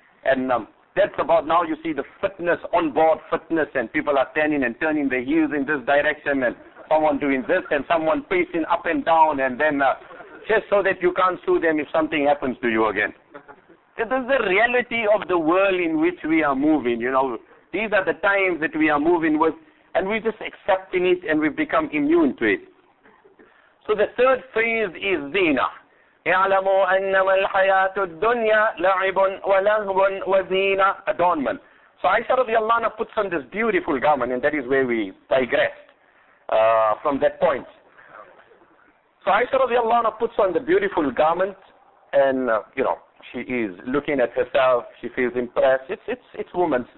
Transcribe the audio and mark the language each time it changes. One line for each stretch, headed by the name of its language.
English: And that's about now you see the fitness, onboard fitness, and people are turning and turning their heels in this direction and someone doing this and someone pacing up and down and then just so that you can't sue them if something happens to you again. This is the reality of the world in which we are moving, you know. These are the times that we are moving with, and we're just accepting it and we've become immune to it. So the third phrase is zina.
Arabic: يَعْلَمُوا أَنَّمَا الْحَيَاةُ الدُّنْيَا لَعِبٌ وَلَهْبٌ وَزِينَةٌ adornment.
English: So Aisha radiallahu anha puts on this beautiful garment, and that is where we digressed from that point. So Aisha radiallahu anha puts on the beautiful garment, and you know, she is looking at herself, she feels impressed. It's women.